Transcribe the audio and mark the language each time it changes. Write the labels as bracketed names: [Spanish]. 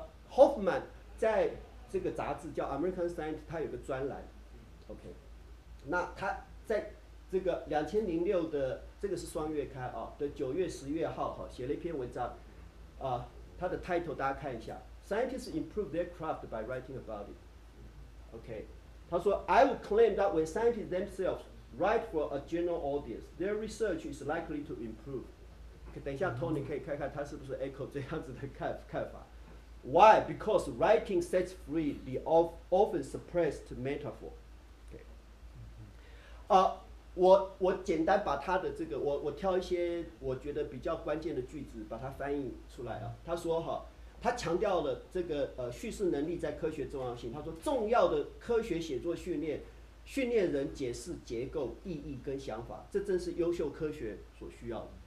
[Chinese] Hoffman 在这个杂志叫 American Science， 他有个专栏 ，OK， 那他在这个2006的这个是双月刊啊的9月、10月号哈，写了一篇文章，他的 title 大家看一下 ， [English] Scientists improve their craft by writing about it， [Chinese] OK，、okay， 他说 [English] I would claim that when scientists themselves write for a general audience， their research is likely to improve。 [Chinese] 等一下 Tony 可以看看他是不是 echo 这样子的看法。 [English] Why? Because writing sets free the often suppressed metaphor. Okay. [Chinese] 我简单把他的这个我挑一些我觉得比较关键的句子把它翻译出来啊。他说哈，他强调了这个叙事能力在科学重要性。他说重要的科学写作训练人解释结构、意义跟想法，这正是优秀科学所需要的。